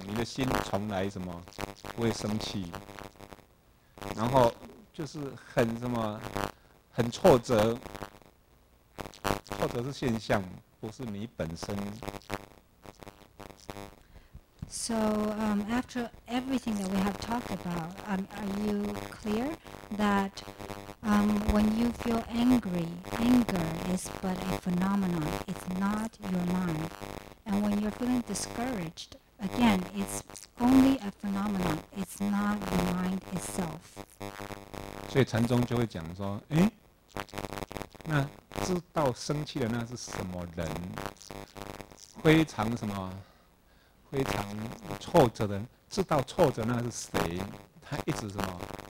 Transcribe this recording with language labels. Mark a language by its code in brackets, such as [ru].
[zh] 对，今天有没有听到？就是，讲了半天，这边就是要什么？你的心生气的时候是现象，你的心从来什么不会生气，然后就是很什么。很挫折，挫折是现象，不是你本身。 [en] So, after everything that we have talked about, are you clear that when you feel angry, anger is but a phenomenon, it's not your mind. And when you're feeling discouraged, again, it's only a phenomenon, it's not your mind itself. [zh] 所以禅宗就会讲说，诶，那知道生气的那是什么人？非常什么？非常挫折的，知道挫折那是谁？他一直什么？